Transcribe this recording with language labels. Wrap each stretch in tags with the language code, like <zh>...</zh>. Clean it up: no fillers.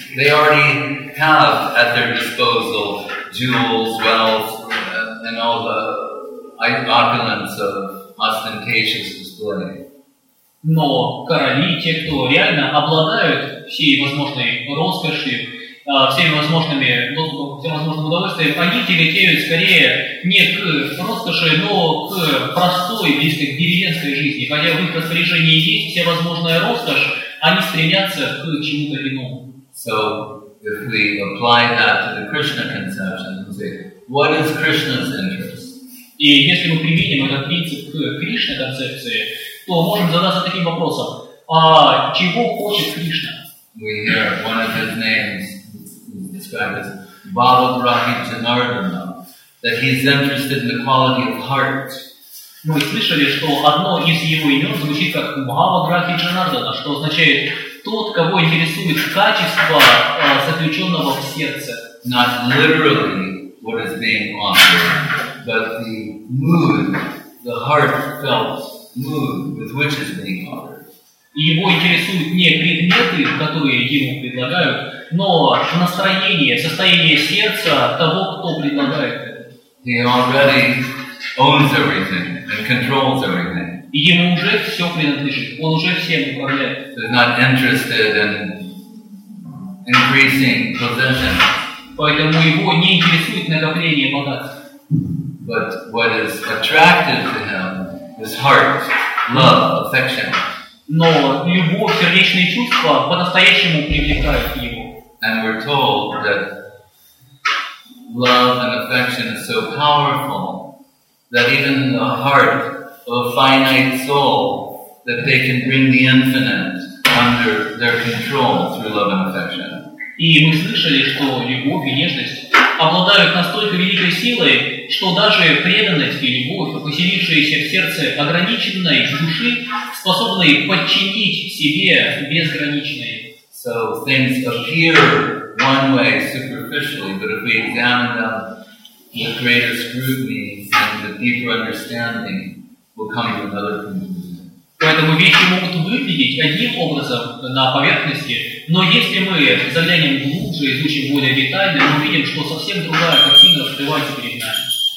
<en>They already have at their disposal jewels, wealth, and all the opulence of ostentatious display.</en> <ru>Но короли, те, кто реально обладают всей возможной роскошью, всем возможным удовольствием, они тяготеют скорее не к роскоши, но к простой, близко к деревенской жизни. Хотя в их распоряжении есть всевозможная роскошь, они стремятся к чему-то иному.</ru> <en>So, if we apply that to the Krishna conception, we say, what is Krishna's interest?</en> <ru>И если мы применим этот принцип к Кришне концепции, то можем задаться таким вопросом, а чего хочет Кришна?</ru> <en>We hear one of his names. Described as Balabrahi Janardana, that he is interested in the quality of heart.</en> <ru>Мы слышали, что одно из его имен звучит как Балабрахи Джанардана, что означает тот, кого интересует качество заключенного в сердце.</ru> <en>Not literally what is being offered, but the mood, the heartfelt mood with which is being offered.</en> <ru>Его интересуют не предметы, которые ему предлагают, но настроение, состояние сердца того, кто предлагает это.</ru> <en>He already owns everything and controls everything.</en> <ru>И ему уже все принадлежит, он уже всем управляет.</ru> <en>He's not interested in increasing possession.</en> <ru>Поэтому его не интересует накопление богатства.</ru> <en>But what is attractive to him is heart, love, affection.</en> <ru>Но любовь, сердечные чувства по-настоящему привлекают его.</ru> <en>And we're told that love and affection is so powerful that even the heart of a finite soul, that they can bring the infinite under their control through love and affection.</en> <ru>И мы слышали, что любовь и нежность обладают настолько великой силой, что даже преданность и любовь, поселившиеся в сердце ограниченной души, способны подчинить себе безграничное.</ru> <en>So things appear one way superficially, but if we examine them with greater scrutiny and with deeper understanding, we'll come to another conclusion.</en> <ru>Поэтому вещи могут выглядеть одним образом на поверхности, но если мы заглянем глубже, изучим более детально, мы увидим, что совсем другая картина раскрывается перед нами.</ru>